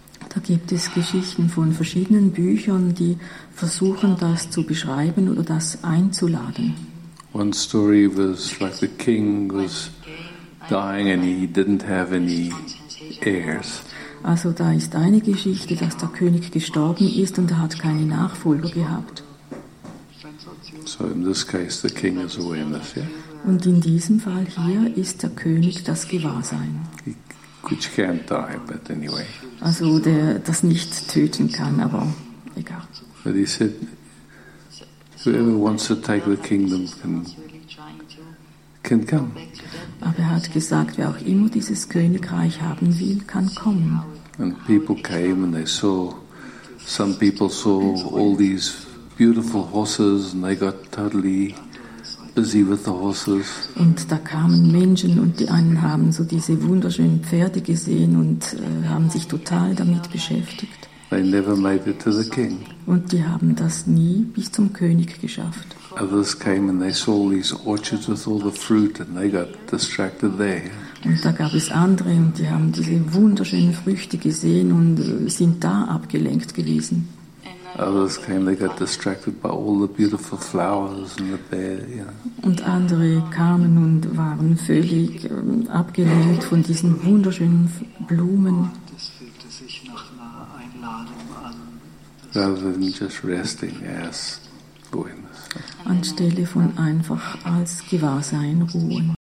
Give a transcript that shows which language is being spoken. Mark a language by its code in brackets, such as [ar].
[de] Da gibt es Geschichten von verschiedenen Büchern, die versuchen, das zu beschreiben oder das einzuladen. [en] One story was like the king was dying and he didn't have any heirs. [de] Also da ist eine Geschichte, dass der König gestorben ist und er hat keine Nachfolger gehabt. [en] So in this case the king is awareness, yeah? [de] Und in diesem Fall hier ist der König das Gewahrsein. [en] Which can't die, but anyway. [de] Also der das nicht töten kann, aber egal. [en] But he said, whoever wants to take the kingdom can come. [de] Aber er hat gesagt, wer auch immer dieses Königreich haben will, kann kommen. [en] And people came and they saw, some people saw all these beautiful horses and they got totally busy with the horses. [de] Und da kamen Menschen und die einen haben so diese wunderschönen Pferde gesehen und haben sich total damit beschäftigt. [en] They never made it to the king. [de] Und die haben das nie bis zum König geschafft. [en] Others came and they saw these orchards with all the fruit and they got distracted there. [de] Und da gab es andere und die haben diese wunderschönen Früchte gesehen und sind da abgelenkt gewesen. [en] Others came, they got distracted by all the beautiful flowers and the bed, you know. [de] Und andere kamen und waren völlig abgelenkt von diesen wunderschönen Blumen. Das fühlte sich nach einer Einladung an. [en] Rather than just resting as awareness. [de] Anstelle von einfach als Gewahrsein ruhen.